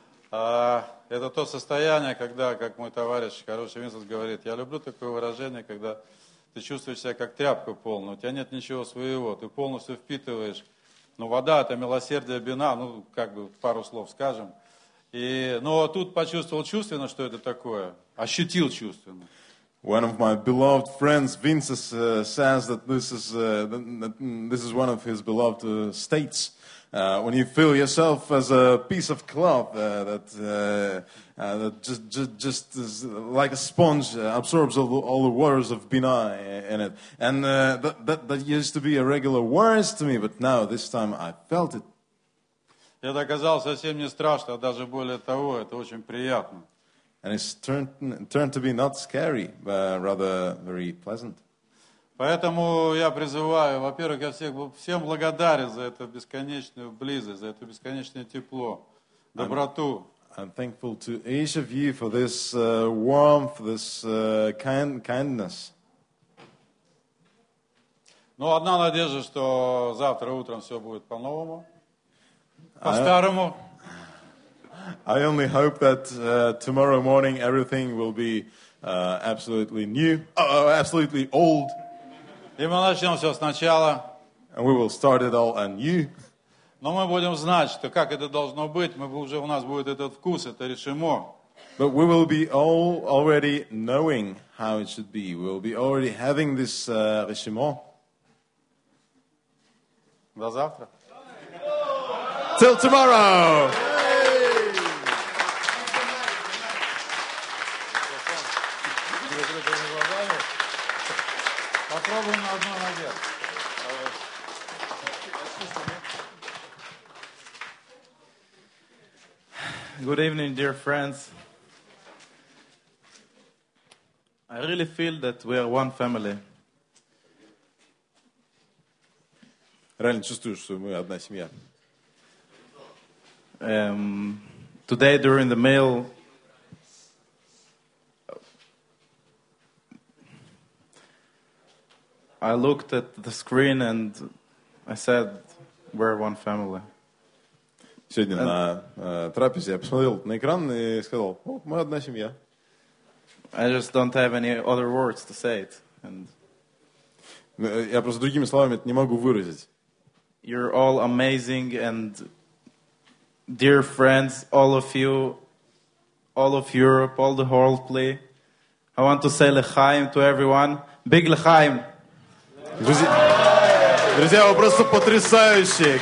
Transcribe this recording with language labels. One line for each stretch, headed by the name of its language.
Russian: Это то состояние, когда, как мой товарищ хороший Винсент говорит, я люблю такое выражение, когда ты чувствуешь себя как тряпка полная, у тебя нет ничего своего, ты полностью впитываешь. Ну, вода – это милосердие, бина, ну, как бы пару слов скажем. Но тут почувствовал чувственно, что это такое. Ощутил чувственно.
English: One of my beloved friends, Vince, says that this is one of his beloved states. When you feel yourself as a piece of cloth that just like a sponge absorbs all the waters of bina in it. And that used to be a regular words to me, but now this time I felt it.
Russian: Это оказалось совсем не страшно, а даже более того, это очень приятно.
English: And it's turned to be not scary, but rather very pleasant.
Russian: Поэтому я призываю, во-первых, я всем благодарен за эту бесконечную близость, за это бесконечное тепло, доброту.
English: I'm thankful to each of you for this warmth, this kindness.
Russian: Но одна надежда, что завтра утром все будет по-новому, по-старому.
English: I only hope that tomorrow morning everything will be absolutely new, absolutely old.
Russian: И мы начнем все сначала.
English: And we will start it all anew.
Russian: Но мы будем знать, что как это должно быть, мы уже у нас будет этот вкус, это решимо.
English: But we will be all already knowing how it should be. We will be already having this решимо.
Russian: До завтра.
English: Till tomorrow.
Russian: Попробуем на одну ноге.
English: Good evening, dear friends. I really feel that we are one family.
Russian: Реально чувствую, что мы одна семья.
English: Today during the meal, I looked at the screen and I said, "We're one family."
Russian: Сегодня на трапезе я посмотрел на экран и сказал: "О, мы одна семья."
English: I just don't have any other words to say it. And
Russian: я просто другими словами это не могу выразить.
English: You're all amazing and dear friends, all of you, all of Europe, all the world, play. I want to say l'chaim to everyone. Big l'chaim.
Russian: Друзья, вы просто потрясающие.